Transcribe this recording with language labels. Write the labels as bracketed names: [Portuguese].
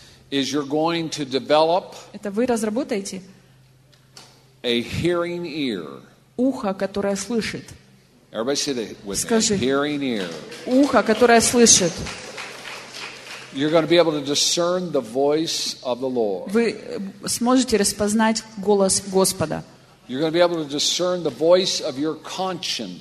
[English] Is you're going to develop. [Russian] Это вы разработаете. [English] A hearing ear. [Russian] Ухо, которое слышит. [English] Everybody say that with [Russian] Скажи, [English] me. A hearing ear. [Russian] Ухо, которое слышит. [English] You're going to be able to discern the voice of the Lord. [Russian] Вы сможете распознать голос Господа. [English] You're going to be able to discern the voice of your conscience.